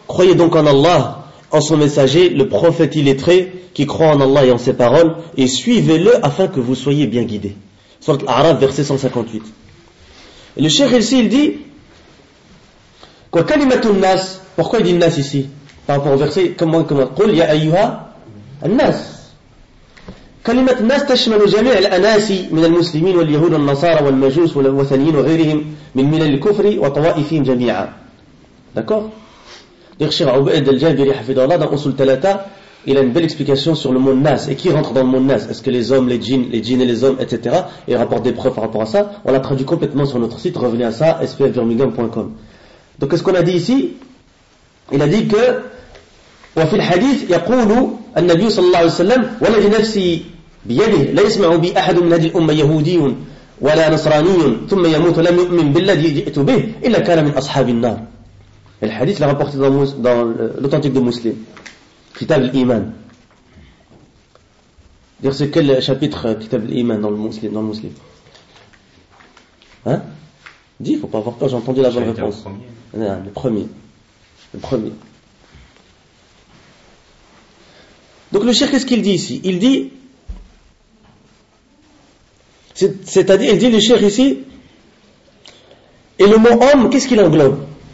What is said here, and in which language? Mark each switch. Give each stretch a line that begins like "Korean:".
French: Croyez donc en Allah, en son messager, le prophète illettré, qui croit en Allah et en ses paroles, et suivez-le afin que vous soyez bien guidés. Surat al-A'raf, verset 158. Et le cheikh ici, il dit: kalimatun nas. Pourquoi il dit nas ici? Par rapport au verset, comment
Arabic: قل يا أيها الناس. كلمة الناس تشمل جميع الأناس من المسلمين واليهود والنصارى والمجوس والوثنيين وغيرهم من ملل الكفر وطوائفهم جميعا.
French: D'accord. Donc Cheikh Obaid al-Jabiri hafidhahullah, dans Usul Talata, il a une belle explication sur le mot nas et qui rentre dans le mot nas. Est-ce que les hommes, les djinns et les hommes, etc. Il rapporte des preuves par rapport à ça. On l'a traduit complètement sur notre site. Revenez à ça, spfbirmingham.com. Donc qu'est-ce qu'on a dit ici? Il a dit que
Arabic: وفي الحديث يقول النبي صلى الله عليه وسلم والذي نفسي بيده لا يسمع بي أحد من هذه الأمة يهودي ولا نصراني ثم يموت لم يؤمن بالذي جئت به إلا كان من أصحاب النار.
French: الحديث لقد رابورتي dans l'authentique de مسلم كتاب الإيمان. Dire c'est quel chapitre كتاب الإيمان dans le مسلم. Hein? Dis, faut pas avoir peur, j'ai entendu la bonne réponse. Le premier. Donc le cheikh, qu'est-ce qu'il dit ici? Il dit, c'est-à-dire, il dit le cheikh ici, et le mot homme, qu'est-ce qu'il englobe?